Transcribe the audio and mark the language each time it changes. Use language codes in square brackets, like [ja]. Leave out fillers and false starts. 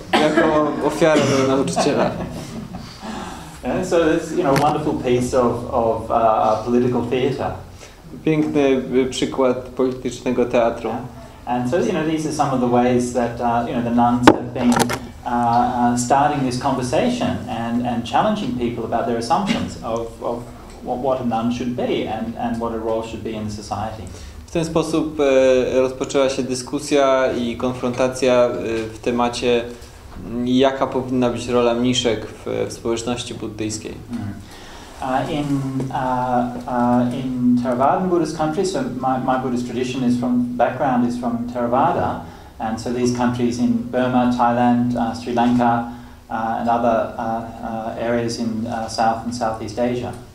[pl] Jako ofiarę do nauczyciela. [en] And so this, you know, wonderful piece of political theater. [pl] Piękny przykład politycznego teatru. Yeah. [en] And so, you know, these are some of the ways that you know, the nuns have been starting this conversation and challenging people about their assumptions of what a nun should be and what a role should be in society. [pl] W ten sposób rozpoczęła się dyskusja i konfrontacja w temacie, jaka powinna być rola mniszek w społeczności buddyjskiej. [en] In Theravadan Buddhist countries, so my Buddhist tradition is from background is from Theravada, and so these countries in Burma, Thailand, Sri Lanka, and other areas in South and Southeast Asia.